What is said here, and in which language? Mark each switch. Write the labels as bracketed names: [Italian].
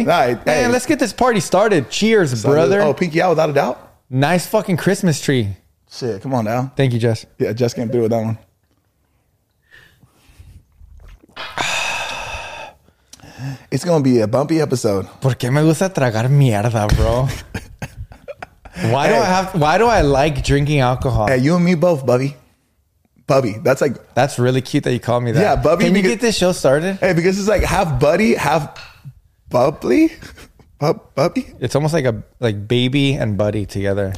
[English] All right, man, hey, let's get this party started. Cheers, so brother. Oh, pinky out without a doubt. Nice fucking Christmas tree. Shit, come on now. Thank you, Jess. Yeah, Jess came through with that one. It's going to be a bumpy episode. [Spanish] ¿Por qué me gusta tragar mierda, bro? [English] Why do I like drinking alcohol? Hey, you and me both, Bubby. Bubby. That's like... That's really cute that you call me that. Yeah, Bubby. Can you get this show started? Hey, because it's like half buddy, half bubbly. Bubby? It's almost like a baby and buddy together.